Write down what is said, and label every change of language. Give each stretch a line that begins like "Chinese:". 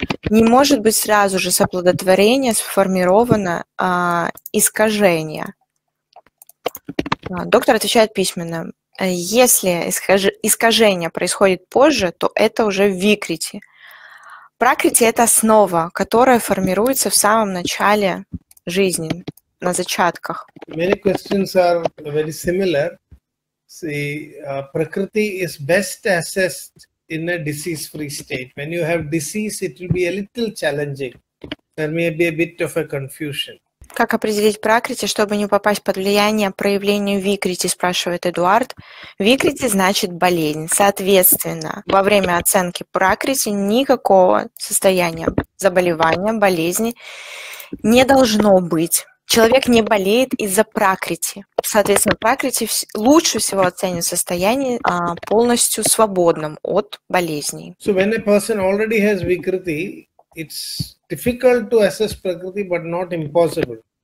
Russian: Не может быть сразу же с оплодотворения сформировано искажение. Доктор отвечает письменно. Если искажение происходит позже, то это уже викрити. Пракрити – это основа, которая формируется в самом начале жизни, на зачатках.
English: Many questions are very similar. See, prakriti is best assessed in a disease-free state. When you have disease, it will be a little challenging. There may be a bit of a confusion.
Russian: Как определить пракрити, чтобы не попасть под влияние проявления викрити, спрашивает Эдуард. Викрити значит болезнь. Соответственно, во время оценки пракрити никакого состояния заболевания, болезни не должно быть. Человек не болеет из-за пракрити. Соответственно, пракрити лучше всего оценит состояние полностью свободным от болезней.
English: So when a person already has vikriti, it's difficult to assess prakriti, but not impossible.